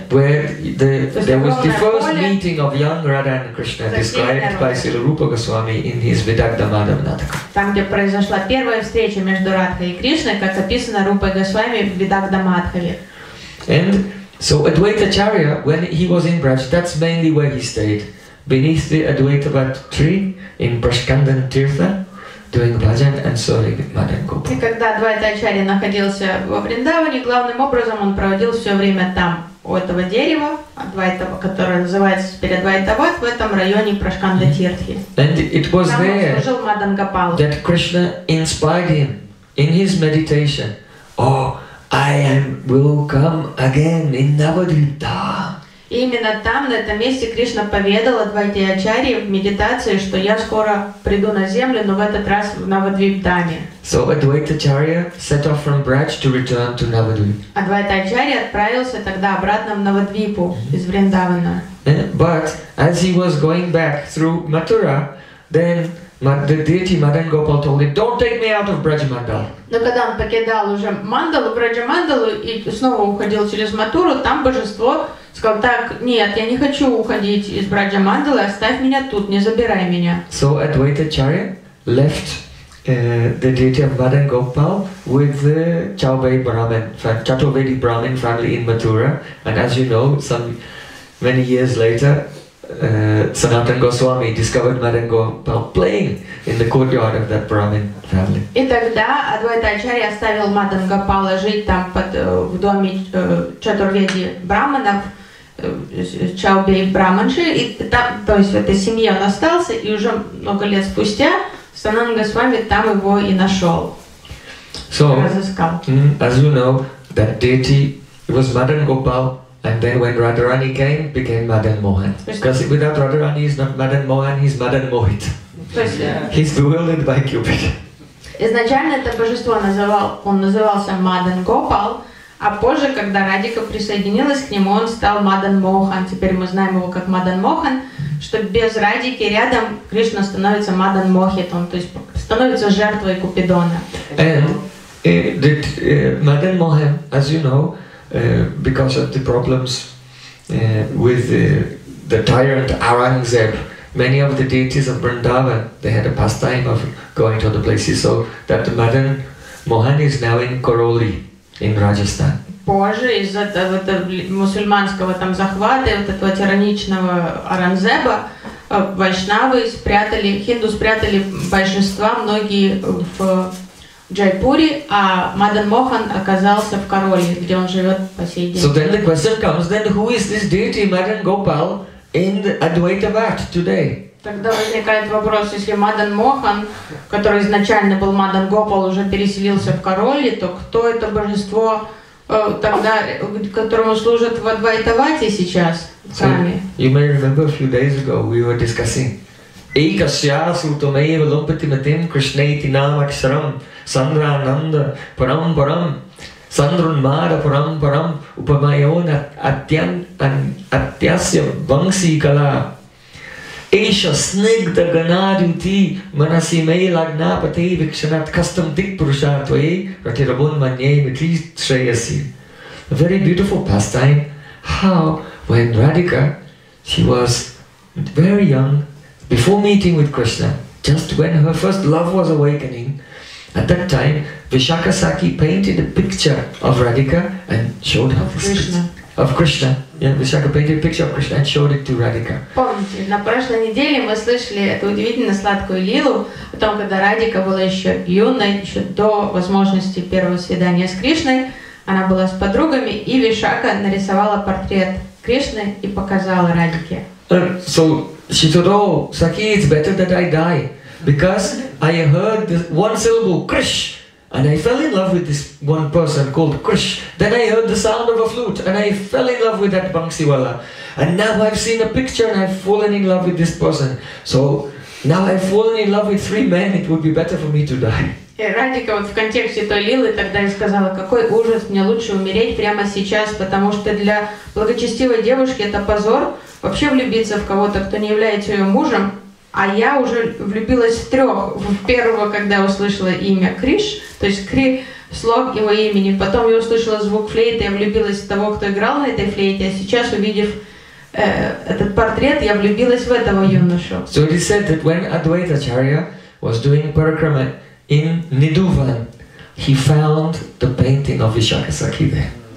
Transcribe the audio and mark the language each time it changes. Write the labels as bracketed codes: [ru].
[en] Where there was the first meeting of young Radha and Krishna described by Srila Rupa Goswami in his Vidagdha Madhav Natak. [ru] Там, где произошла первая встреча между Радхой и Кришной, как описано Рупой Госвами в Vidagdha Madhavе. [en] And so Advaita Acharya, when he was in Braj, that's mainly where he stayed. Beneath the Advaitavat tree in Prashkandan Tirtha, doing bhajan and serving Madan Gopal. [ru] И когда Адвайта Ачарья находился во Вриндаване, главным образом он проводил все время там, у этого дерева, Адвайтава, которое называется теперь Адвайтават, в этом районе Прашканда Тирти. [en] And it was there [ru] служил Мадан Гопал. [en] That Krishna inspired him in his meditation. Oh, will come again in Navadvipta. [ru] И именно там, на этом месте, Кришна поведал Адвайте Ачарье в медитации, что я скоро приду на землю, но в этот раз в Навадвипдхаме. [en] So Advaita Acharya set off from Braj to return to Navadvip. [ru] Адвайта Ачарья отправился тогда обратно в Навадвипу из Вриндавана. [en] But as he was going back through Mathura, then the deity Madan Gopal told him, don't take me out of Braj Mandal. [ru] Но когда он покидал уже Мандалу, Браджа Мандалу, и снова уходил через Матуру, там божество сказал, так, нет, я не хочу уходить из Браджа Мандалы, оставь меня тут, не забирай меня. [en] So Advaita Acharya left the deity of Madan Gopal with the Chaturvedic Brahmin family in Mathura. And as you know, many years later, Sanatan Goswami discovered Madan Gopal playing in the courtyard of that Brahmin family. [ru] И тогда Адвайта Ачарья оставил Мадан Гопала жить там в доме Чатурведи Брахманов, Чаубей Браманши, и там, то есть в этой семье он остался, и уже много лет спустя Санатан Госвами там его и нашел, разыскал. [en] As you know, that deity was Madan Gopal. And then when Radharani came, became Madan Mohan. Because without Radharani, he's not Madan Mohan, he's Madan Mohit. He's bewildered by Cupid. [ru] Изначально это божество он назывался Madan Gopal, а позже, когда Радика присоединилась к нему, он стал Madan Mohan. Теперь мы знаем его как Madan Mohan, что без Радики рядом Кришна становится Madan Mohitом, то есть становится жертвой Купидона. [en] And Madan Mohan, as you know, because of the problems with the tyrant Aurangzeb, many of the deities of Vrindavan, they had a pastime of going to other places, so that the Madan Mohan is now in Karoli, in Rajasthan. [ru] Позже из-за этого мусульманского там захвата, вот этого тираничного Аурангзеба, вайшнавы спрятали, хинду спрятали большинство, многие в Джайпуре, а Мадан Мохан оказался в Кароли, где он живет по сей день. [en] So then the question comes, then who is this deity Madan Gopal in Advaita Vat today? [ru] Тогда возникает вопрос, если Мадан Мохан, который изначально был Мадан Гопал, уже переселился в Кароли, то кто это божество, тогда, которому служат в Адвайтавате сейчас, сами? [en] So, you may remember a few days ago we were discussing. [sa] Ekasya sutameva lumpati matim krishneti namaksaram sandrananda param param sandrunmara param param upamayona atyasya vangsi kala Esha snigda ganaduti manasi me lagnapati vikshanat custom dik purushatwe ratirabun manye mitri shreyasi. [en] A very beautiful pastime. How when Radhika, she was very young, before meeting with Krishna, just when her first love was awakening, at that time Vishakhasakhi painted a picture of Radhika and showed her this Krishna. Of Krishna. Yeah, Vishakha painted a picture of Krishna and showed it to Radhika. [ru] Помните, на прошлой неделе мы слышали эту удивительно сладкую лилу о том, когда Радика была еще юной, еще до возможности первого свидания с Кришной, она была с подругами, и Вишака нарисовала портрет Кришны и показала Радике. [en] So she said, oh, Sakhi, it's better that I die, because I heard this one syllable, Krish. And I fell in love with this one person called Krish. Then I heard the sound of a flute and I fell in love with that Bangsiwala. And now I've seen a picture and I've fallen in love with this person. So now I've fallen in love with three men, it would be better for me to die. [ru] Радика вот в контексте той лилы тогда и сказала, какой ужас, мне лучше умереть прямо сейчас, потому что для благочестивой девушки это позор вообще влюбиться в кого-то, кто не является ее мужем. А я уже влюбилась в трех. В первого, когда я услышала имя Криш, то есть Кри, слог его имени. Потом я услышала звук флейты, я влюбилась в того, кто играл на этой флейте. А сейчас, увидев этот портрет, я влюбилась в этого юношу. [en] So he said that when Advaita Acharya was doing parikrama in Niduvan, he found the painting of Vishakhasakhi there.